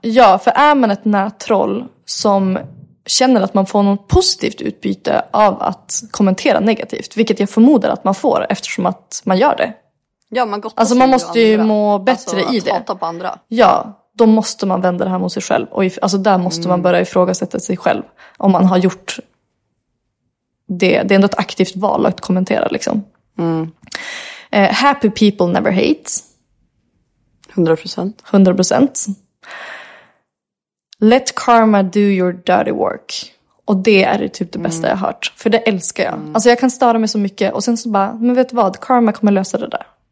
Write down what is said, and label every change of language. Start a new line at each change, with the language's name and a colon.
Swedish: Ja, för är man ett nättroll som känner att man får något positivt utbyte av att kommentera negativt, vilket jag förmodar att man får eftersom att man gör det. Ja, man gottar alltså, man måste ju må bättre i det. Att hata på andra. Ja, då måste man vända det här mot sig själv. Och där måste man börja ifrågasätta sig själv om man har gjort... Det är ändå ett aktivt val att kommentera. Liksom. Mm.
English: Happy people never hate. 100%. Let karma do your dirty work.
Swedish: Och det är typ det bästa jag har hört. För det älskar jag. Alltså jag kan störa mig så mycket. Och sen så bara, men vet du vad? Karma kommer lösa det där.